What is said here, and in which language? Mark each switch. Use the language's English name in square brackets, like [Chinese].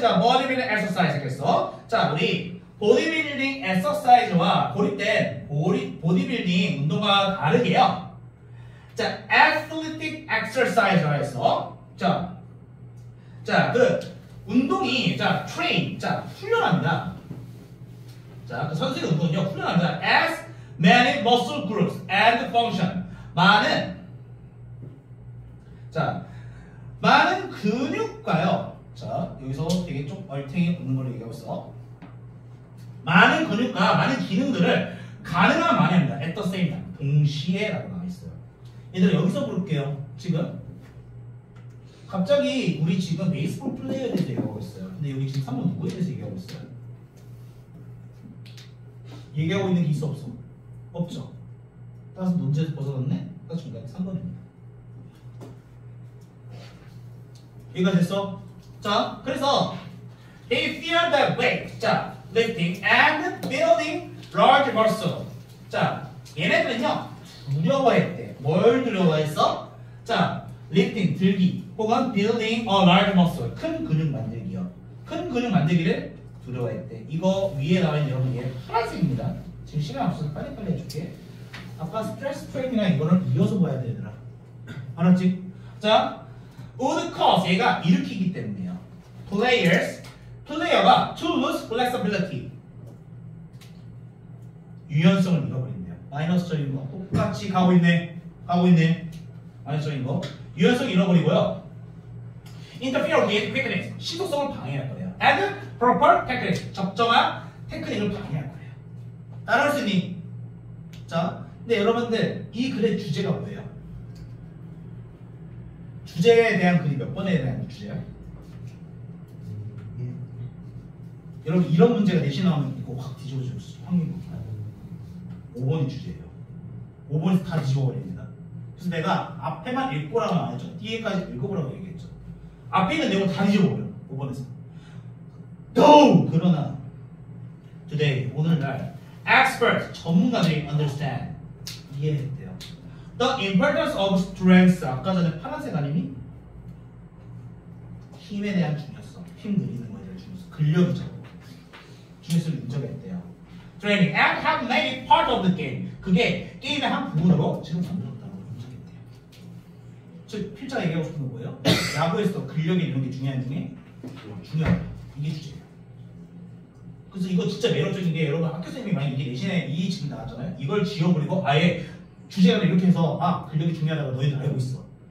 [Korean] 자, bodybuilding exercise 했어. 자, 우리 bodybuilding exercise와 고립된 bodybuilding 운동과 다르게요. 자, athletic exercise 라고 했어. 자, 자, 그 운동이 자 train 자 훈련합니다. 자, 그 선수의 운동은요 훈련합니다. [English] As many muscle groups and function 많은 자 많은 근육과요. [Korean] 자, 여기서 되게 좀 얼탱이 없는 걸로 얘기하고 있어. 많은 근육과 많은 기능들을 가능한 많이 합니다. [English] At the same time 동시에라고 나와 있어요. [Korean] 얘들아 여기서 부를게요. 지금. 갑자기 우리 지금 베이스볼 플레이어에 대해서 얘기하고 있어요. 근데 여기 지금 3번 누구에 대해서 얘기하고 있어요? 얘기하고 있는 게 있어 없어? 없죠? 따라서 문제에서 벗어났네? 그러니까 3번입니다. 얘가 됐어? [English] 자, 그래서 They fear that weight, 자, lifting and building large muscle. [Korean] 자, 얘네들은요 두려워했대. 뭘 두려워했어? 자, lifting, 들기 혹은 building a large muscle, 큰 근육 만들기요. 큰 근육 만들기를 두려워했대. 이거 위에 나와있는 여러분 얘 파란색입니다. 지금 시간 없어서 빨리 해줄게. 아까 스트레스 트레이닝이랑 이거는 이어서 봐야 되더라. 알았지? 자, would cause 얘가 일으키기 때문이에요. [English] Players, player가 to lose flexibility. [Korean] 유연성을 잃어버린대요. 마이너스적인 거 똑같이 가고 있네. 가고 있네. 마이너스적인 거. 유연성을 잃어버리고요. [English] Interfere with quickness. [Korean] 시속성을 방해할 거예요. [English] And proper technique. [Korean] 적정한 테크닉을 방해할 거예요. 따라할 수 있니? 자, 근데 여러분들 이 글의 주제가 뭐예요? 주제에 대한 글이 몇 번에 대한 주제야? 여러분 이런 문제가 내신 나오면 이거 확 뒤집어질 수 있어요. 확률이 높아요. 5번이 주제예요. 5번에서 다 뒤집어버립니다. 그래서 내가 앞에만 읽고라고 말했죠. DA까지 읽어보라고 얘기했죠. 앞에 있는 내용을 다 뒤집어버려요. 5번에서. No! 그러나 today, 오늘날 experts, 전문가들이 understand, 이해했대요. The importance of strengths, 아까 전에 파란색 아니니? 힘에 대한 중요성, 힘 늘리는 거에 대한 중요성, 근력이죠. 중요성을 인정했대요. [English] Training, and have made it part of the game. [Korean] 그게 게임의 한 부분으로 지금 만들었다고 인정했대요. 즉, 필자가 얘기하고 싶은 건 뭐예요? 야구에서 근력이 이런 게 중요한 중에 중요하다. 이게 주제예요. 그래서 이거 진짜 매력적인 게 여러분 학교 선생님이 많이 이게 내신에 이 질문 나왔잖아요. 이걸 지워버리고 아예 주제가 이렇게 해서 아 근력이 중요하다고 너희들 알고 있어.